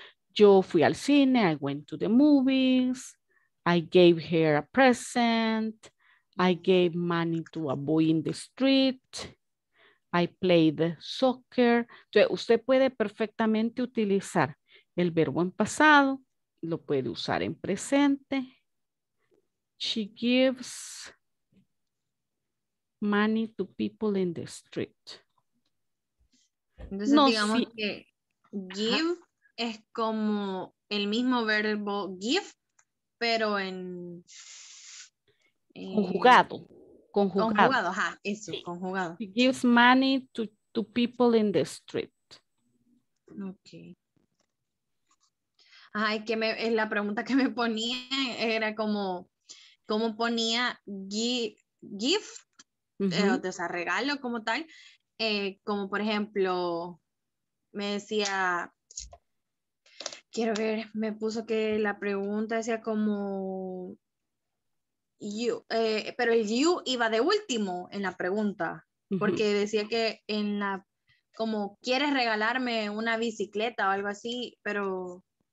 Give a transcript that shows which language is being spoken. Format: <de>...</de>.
<es>Yo fui al cine,</es> <en>I went to the movies, I gave her a present, I gave money to a boy in the street, I played soccer.</en> <es>Entonces usted puede perfectamente utilizar el verbo en pasado. Lo puede usar en presente.</es> <en>She gives money to people in the street.</en> <es>Entonces, no, digamos si... que give, ajá, es como el mismo verbo give, pero en... conjugado. Conjugado, ajá, eso, sí. Conjugado.</es> <en>She gives money to people in the street. Ok.</en> <es>Ay, que me, es la pregunta que me ponía, era como, ¿cómo ponía gift? Uh-huh. O sea, regalo como tal. Como por ejemplo, me decía, quiero ver, me puso que la pregunta decía como, you, pero el you iba de último en la pregunta, uh-huh, porque decía que en la, como, ¿quieres regalarme una bicicleta o algo así? Pero...</es>